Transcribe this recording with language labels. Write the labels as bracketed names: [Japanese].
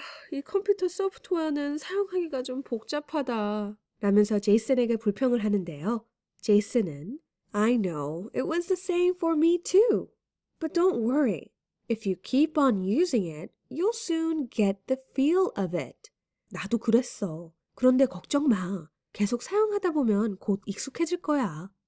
[Korean] 이 컴퓨터 소프트웨어는 사용하기가 좀 복잡하다. 라면서 제이슨에게 불평을 하는데요. 제이슨은 [English] I know, it was the same for me too. But don't worry, if you keep on using it, you'll soon get the feel of it. [Korean] 나도 그랬어. 그런데 걱정 마. 계속 사용하다 보면 곧 익숙해질 거야.